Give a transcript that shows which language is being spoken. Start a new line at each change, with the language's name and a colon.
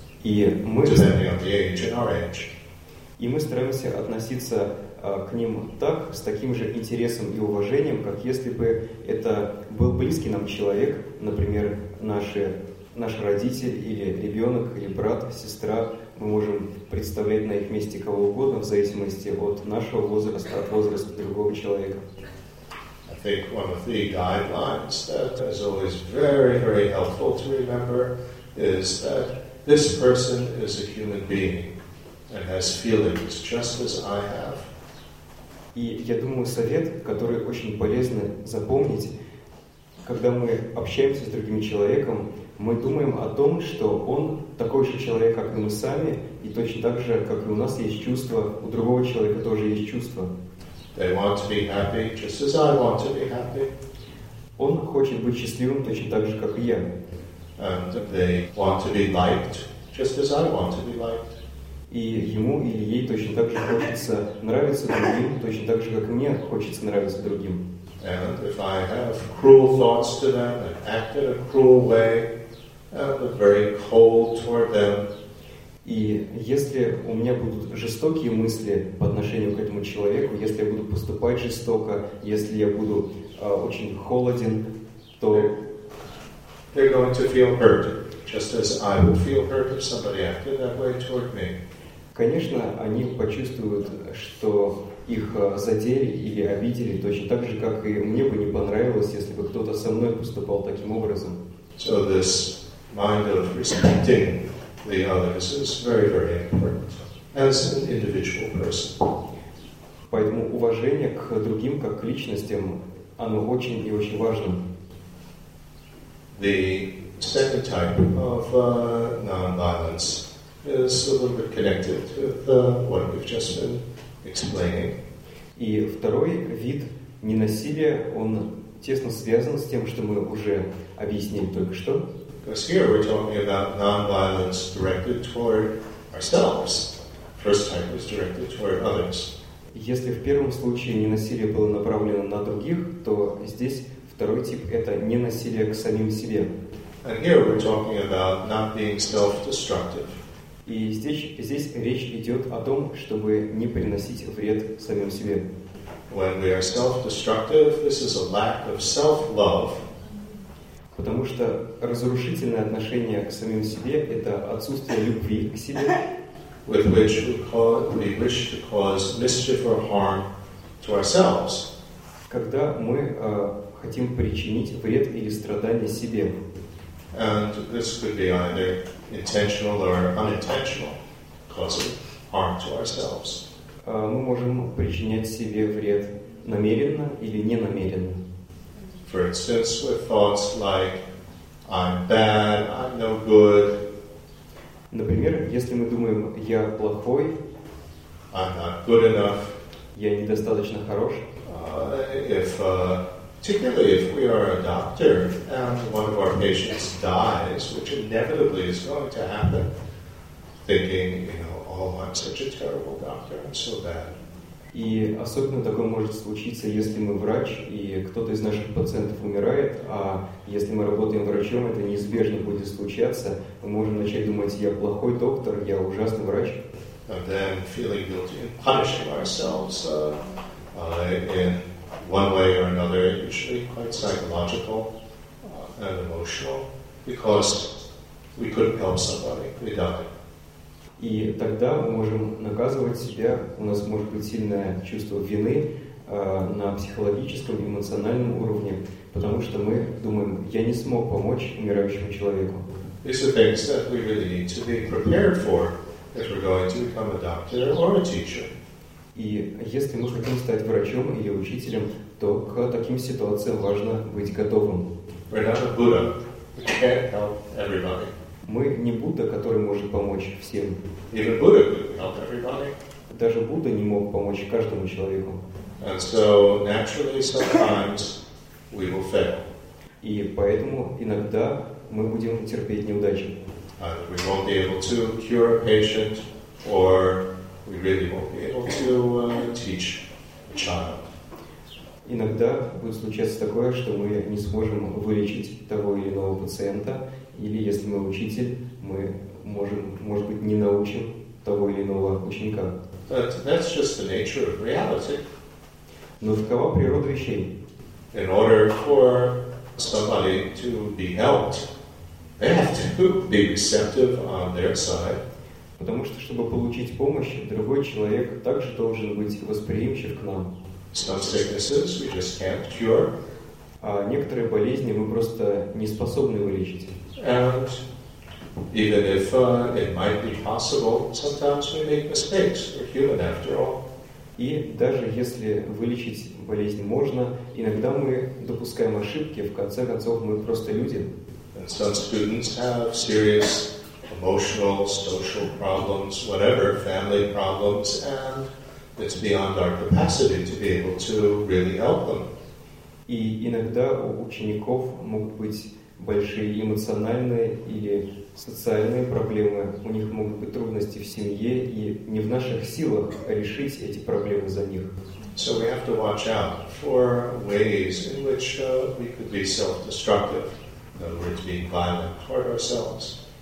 English: Depending on the age, in our age.
Russian: И мы стараемся относиться к ним так, с таким же интересом и уважением, как если бы это был близкий нам человек, например, наш родитель или ребенок, или брат, сестра. Мы можем представлять на их месте кого угодно, в зависимости от нашего возраста, от возраста другого человека.
English: I think one of the guidelines that is always very, very helpful to remember is that this person is a human being and has feelings just as I have.
Russian: И я думаю, совет, который очень полезно запомнить, когда мы общаемся с другим человеком, мы думаем о том, что он такой же человек, как и мы сами, и точно так же, как и у нас есть чувства, у другого человека тоже есть чувства.
English: They want to be happy, just as I want to be happy.
Russian: Он хочет быть счастливым точно так же, как и я.
English: And they want to be liked, just as I want to be liked.
Russian: И ему или ей точно так же хочется нравиться другим, точно так же, как и мне хочется нравиться другим.
English: And if I have cruel thoughts to them, and act in a cruel way, and look very cold toward them.
Russian: И если у меня будут жестокие мысли по отношению к этому человеку, если я буду поступать жестоко, если я буду очень холоден, то
English: they're going to feel hurt, just as I would feel hurt if somebody acted that way toward me.
Russian: Конечно, они почувствуют, что их задели или обидели, точно так же, как и мне бы не понравилось, если бы кто-то со мной поступал таким образом.
English: So this mind of respecting the others is very, very important as an individual person.
Russian: Поэтому уважение к другим как к личностям, оно очень и очень важно.
English: The second type of non-violence is a little bit connected with what we've just been explaining.
Russian: И второй вид ненасилия, он тесно связан с тем, что мы уже объяснили только что.
English: Because here we're talking about non-violence directed toward ourselves. First type was directed toward others.
Russian: Если в первом случае ненасилие было направлено на других, то здесь второй тип — это ненасилие к самим себе.
English: And here we're talking about not being self-destructive.
Russian: И здесь речь идет о том, чтобы не приносить вред самим себе.
English: When we are self-destructive, this is a lack of self-love.
Russian: Потому что разрушительное отношение к самим себе — это отсутствие любви к себе.
English: With which we wish to cause mischief or harm to ourselves.
Russian: Когда мы хотим причинить вред или страдание себе.
English: And this could be either intentional or unintentional, causing harm to ourselves.
Russian: Мы можем причинять себе вред намеренно или ненамеренно.
English: For instance, with thoughts like, I'm bad, I'm no good.
Russian: Например, если мы думаем, я плохой,
English: I'm not good enough,
Russian: я недостаточно хорош.
English: Particularly if we are a doctor and one of our patients dies, which inevitably is going to happen, thinking, you know, oh, I'm such a terrible doctor, I'm so bad.
Russian: И особенно такое может случиться, если мы врач, и кто-то из наших пациентов умирает, а если мы работаем врачом, это неизбежно будет случаться, мы можем начать думать, я плохой доктор, я ужасный врач.
English: And then feeling guilty and punishing ourselves in one way or another, usually quite psychological and emotional, because we couldn't help somebody, we died.
Russian: И тогда мы можем наказывать себя, у нас может быть сильное чувство вины на психологическом, эмоциональном уровне, потому что мы думаем, я не смог помочь умирающему человеку.
English: These are things that we really need to be prepared for if we're going to become a doctor or a teacher.
Russian: И если мы хотим стать врачом или учителем, то к таким ситуациям важно быть готовым.
English: We're not a Buddha. We can't help everybody.
Russian: Мы не Будда, который может помочь всем.
English: Even Buddha couldn't help everybody.
Russian: Даже Будда не мог помочь каждому человеку.
English: And so, naturally, sometimes we will fail.
Russian: И поэтому иногда мы будем терпеть неудачи.
English: Either we won't be able to cure a patient, or we really won't be able to teach a child.
Russian: Иногда будет случаться такое, что мы не сможем вылечить того или иного пациента, или если мы учитель, мы можем, может быть, не научим того или иного ученика.
English: But that's just the nature of reality.
Russian: Но такова природа вещей.
English: In order for somebody to be helped, they have to be receptive on their side.
Russian: Потому что, чтобы получить помощь, другой человек также должен быть восприимчив к нам.
English: Some sicknesses we just can't cure.
Russian: А некоторые болезни мы просто не способны вылечить.
English: And even if it might be possible, sometimes we make mistakes. We're human after all.
Russian: И даже если вылечить болезнь можно, иногда мы допускаем ошибки, в конце концов мы просто люди.
English: And some students have serious emotional, social problems, whatever, family problems, and it's beyond our capacity to be able to really help them.
Russian: И иногда у учеников могут быть большие эмоциональные или социальные проблемы, у них могут быть трудности в семье, и не в наших силах решить эти проблемы за них.
English: So we have to watch out for ways in which we could be self-destructive, in other words, being violent toward ourselves.